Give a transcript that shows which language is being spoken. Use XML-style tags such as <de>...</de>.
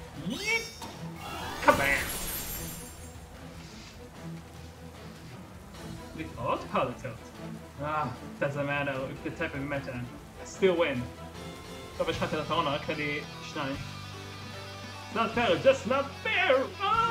<en>Yeet! Kabam! without Power Tilt. Ah, doesn't matter if the type of meta. I still win.</en> <he>טוב, יש לך את האחרון, רק לי שניים.</he> <en>It's not fair, it's just not fair!</en>